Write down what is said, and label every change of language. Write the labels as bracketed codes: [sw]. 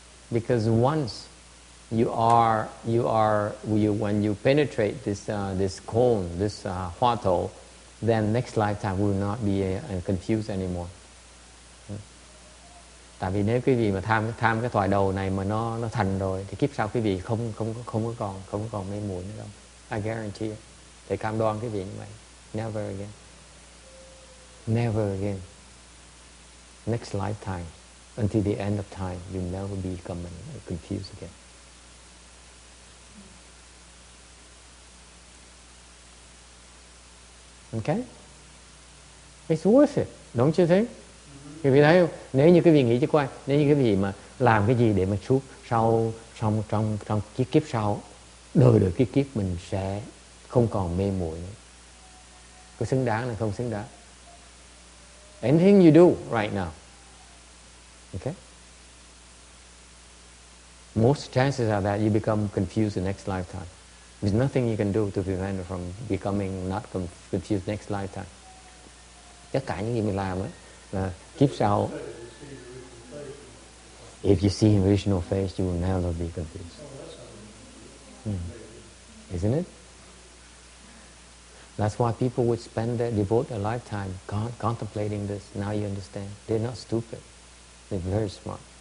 [en] Because once you are when you penetrate this cone, this hoa thổ, then next lifetime will not be confused anymore. [vi] Tại vì nếu quý vị mà tham cái thoại đầu này mà nó thành rồi thì kiếp sau quý vị không có còn mê muội nữa đâu. [en] I guarantee you. [vi] Thầy cam đoan quý vị như vậy. [en] Never again. Never again. Next lifetime, until the end of time, you'll never become confused again. Okay? It's worth it, don't you think? [vi] Quý vị thấy không? Nếu như quý vị nghĩ cho coi, nếu như quý vị mà làm cái gì để mà suốt sau trong trong trong kiếp kiếp sau, đời đời kiếp kiếp mình sẽ không còn mê muội nữa. Có xứng đáng hay không xứng đáng? [en] Anything you do right now, okay? Most chances are that you become confused the next lifetime. There's nothing you can do to prevent from becoming not confused next lifetime. [vi] Tất cả những gì mình làm ấy, là kiếp sau. [en] If you see an original face, you will never be confused. Isn't it? That's why people would spend their devote their lifetime contemplating this. Now you understand. They're not stupid. They're very smart.